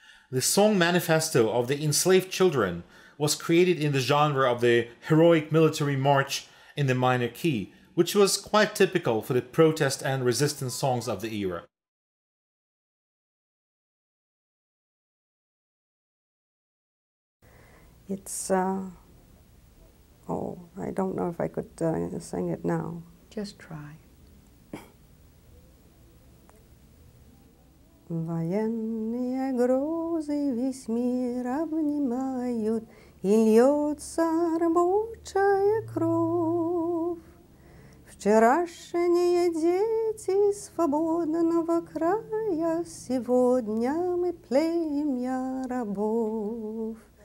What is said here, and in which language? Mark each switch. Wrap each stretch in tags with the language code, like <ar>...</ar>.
<en>The song Manifesto of the Enslaved Children was created in the genre of the heroic military march in the minor key, which was quite typical for the protest and resistance songs of the era. I don't know if I could sing it now. Just try.</en> <ru>Воєнні грози весь мир обнімают, і льется рабочая кров. Вчерашние дети свободного края, сегодня мы племя рабов.</ru>